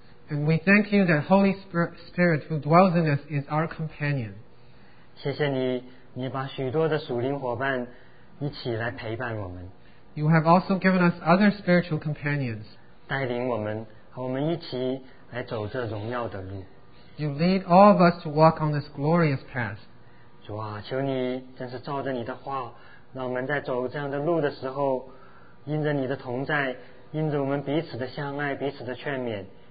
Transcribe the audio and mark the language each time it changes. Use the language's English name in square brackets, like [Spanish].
[English] And we thank you that Holy Spirit who dwells in us is our companion. [Chinese] 谢谢你把许多的属灵伙伴一起来陪伴我们。 [English] You have also given us other spiritual companions. [Chinese] 带领我们和我们一起来走这荣耀的路。 [English] You lead all of us to walk on this glorious path. [Chinese] 主啊，求你真是照着你的话，让我们在走这样的路的时候，因着你的同在，因着我们彼此的相爱，彼此的劝勉。